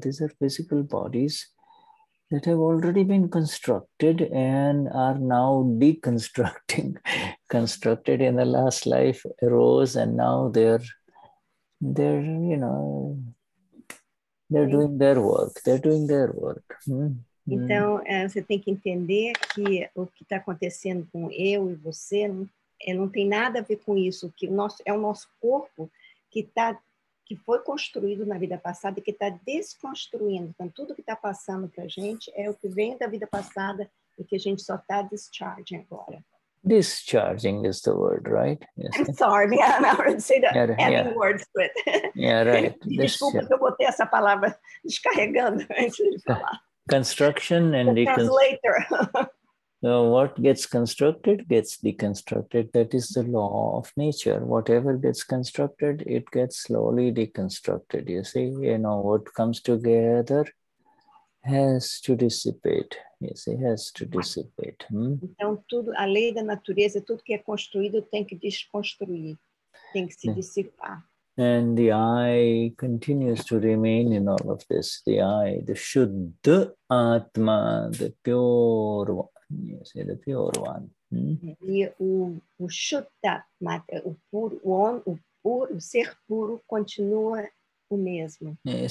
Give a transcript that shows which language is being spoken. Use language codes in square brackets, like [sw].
[en] These are physical bodies that have already been constructed and are now deconstructing. Constructed in the last life, arose, and now they're doing their work. [pt] Então, você tem que entender que o que está acontecendo com eu e você não tem nada a ver com isso. Que o nosso corpo que foi construído na vida passada e que está desconstruindo. Então, tudo que está passando para a gente é o que vem da vida passada e que a gente só está discharging agora. [en] Discharging is the word, right? Yes. I'm sorry, yeah, I'm not going to say the words, but... Yeah, right. [pt] Desculpa que eu botei essa palavra descarregando antes de falar. [en] Construction and translator. So what gets constructed gets deconstructed. That is the law of nature. Whatever gets constructed, it gets slowly deconstructed. You see, you know, what comes together has to dissipate. Yes, it has to dissipate. [pt] Então, tudo, a lei da natureza, tudo que é construído tem que desconstruir, tem que se dissipar. [en] And the I continues to remain in all of this. The I, the Shuddhatma, the pure one. You say the pure one. [pt] Hmm? E o Shuddhatma, o puro, o ser puro continua o mesmo.